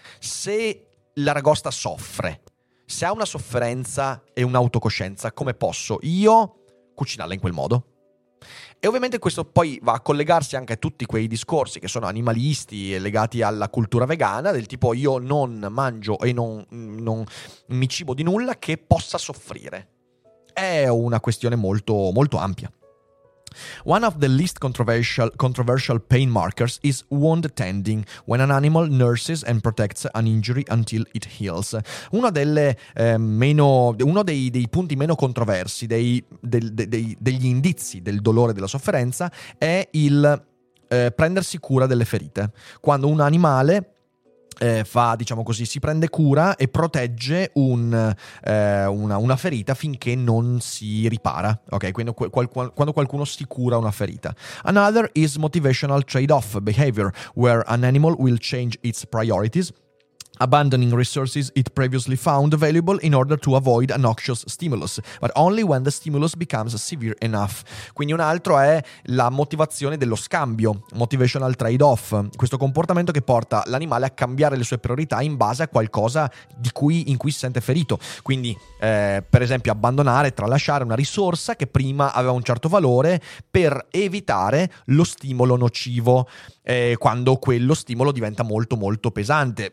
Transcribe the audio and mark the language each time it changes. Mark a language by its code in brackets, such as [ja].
[it] Se l'aragosta soffre, se ha una sofferenza e un'autocoscienza, come posso io cucinarla in quel modo? E ovviamente questo poi va a collegarsi anche a tutti quei discorsi che sono animalisti e legati alla cultura vegana, del tipo io non mangio e non mi cibo di nulla che possa soffrire. È una questione molto, molto ampia. [en] One of the least controversial pain markers is wound tending, when an animal nurses and protects an injury until it heals. [it] Uno dei punti meno controversi, degli indizi del dolore e della sofferenza, è il prendersi cura delle ferite. Quando un animale si prende cura e protegge una ferita finché non si ripara, ok? Quando qualcuno si cura una ferita. [en] Another is motivational trade-off behavior, where an animal will change its priorities, abandoning resources it previously found valuable in order to avoid a noxious stimulus, but only when the stimulus becomes severe enough. [it] Quindi un altro è la motivazione dello scambio, motivational trade-off, questo comportamento che porta l'animale a cambiare le sue priorità in base a qualcosa in cui si sente ferito. Quindi, per esempio, abbandonare, tralasciare una risorsa che prima aveva un certo valore per evitare lo stimolo nocivo, quando quello stimolo diventa molto molto pesante.